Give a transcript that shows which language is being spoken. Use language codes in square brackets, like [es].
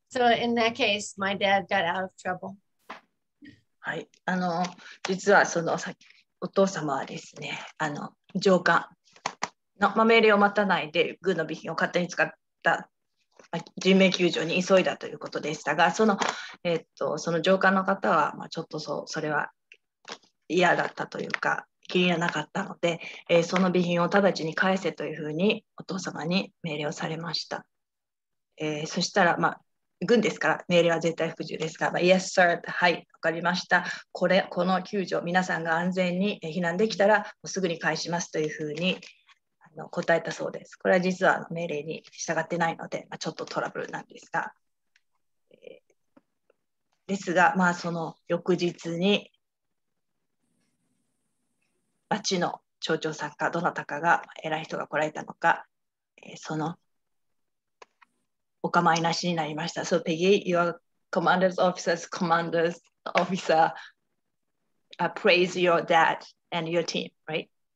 [en] So in that case, my dad got out of trouble. [ja] はい、あの、実はそのさ、お父様はですね、あの、上官の命令を待たないで軍の備品を勝手に使った人命救助に急いだということでしたが、その上官の方は、まあ、ちょっとそれは嫌だったというか気にならなかったので、その備品を直ちに返せというふうにお父様に命令をされました、そしたら、まあ、軍ですから命令は絶対服従ですが、まあ、 [en] Yes, sir. [ja] はい、わかりました。この救助、皆さんが安全に避難できたらすぐに返しますというふうに答えたそうです。これは実は命令に従ってないので、まあ、ちょっとトラブルなんですが、ですが、まあ、その翌日に町の町長さんかどなたかが、偉い人が来られたのか、そのお構いなしになりました。 [en] So Peggy, your commander's officer's commander's officer praise your dad and your team, right?